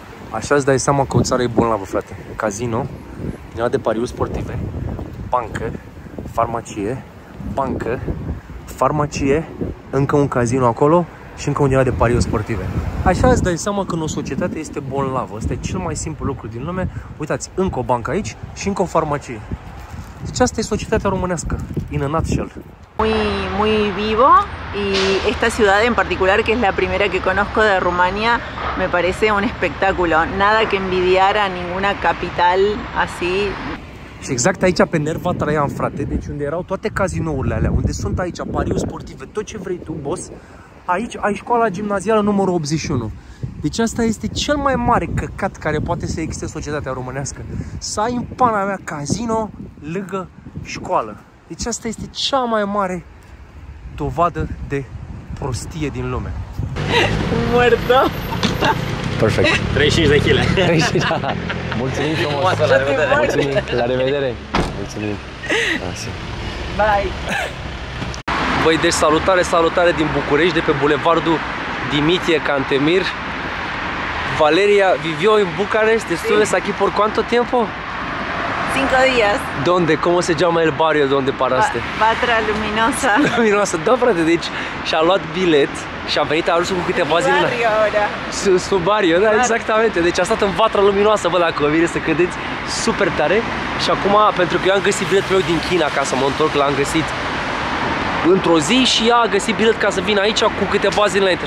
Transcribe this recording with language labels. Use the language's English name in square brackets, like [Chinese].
[Romanian] Așa îți dai seama că o țară e bolnavă, frate. Cazino, din de pariuri sportive, bancă, farmacie, bancă, farmacie, încă un cazino acolo și încă un de pariuri sportive. Așa îți dai seama că o societate este bolnavă. Asta e cel mai simplu lucru din lume. Uitați, încă o bancă aici și încă o farmacie. Deci asta e societatea românească, [English] in a nutshell. [Spanish] Muy, muy vivo y esta ciudad en particular, que es la primera que conozco de Rumania, me parece un espectáculo. Nada que envidiar a ninguna capital así. [Romanian] Și exact aici, pe Nerva Traian, frate, deci unde erau toate cazinourile alea, unde sunt aici, pariuri sportive, tot ce vrei tu, boss, aici ai școala gimnazială numărul 81. Deci asta este cel mai mare căcat care poate să existe societatea românească. Să ai în pana mea cazino lângă școală. Deci asta este cea mai mare dovadă de prostie din lume. [Spanish] Muerto. [Romanian] Perfect. 35 de chile. 35. Da. Mulțumim frumos. La revedere. Mulțumim. La revedere. Mulțumim. Așa. Bye. Băi, deci salutare, salutare din București, de pe bulevardul Dimitrie Cantemir. [Spanish] Valeria, vivió en Bucarest, estuve aquí por cuánto tiempo? 5 días. ¿Dónde? ¿Cómo se llama el barrio donde paraste? [Romanian] Patria Luminosa. Luminosa, da, frate, deci și-a luat bilet și-a venit, a ajuns cu câteva zile. [Spanish] Barrio ahora. Su barrio, da, exactamente. [Romanian] Deci a stat în Patria Luminosa, bă, dacă vă vine să credeți, super tare. Și acum, pentru că eu am găsit biletul meu din China ca să mă întorc, l-am găsit într-o zi și ea a găsit bilet ca să vină aici cu câteva zile înainte.